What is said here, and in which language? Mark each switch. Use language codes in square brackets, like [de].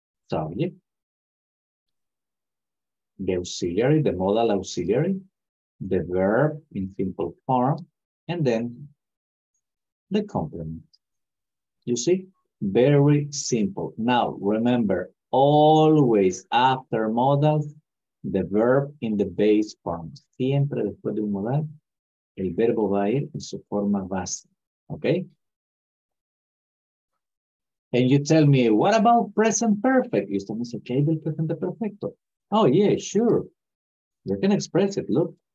[en] Subject, the auxiliary, the modal auxiliary, the verb in simple form, and then the complement. You see, very simple. Now, remember, always after modals, the verb in the base form. [es] Siempre después de un modal, el verbo va a ir en su forma base, okay? [en] And you tell me, what about present perfect? You still miss okay, [es] del presente perfecto. [en] Oh yeah, sure. You can express it, look.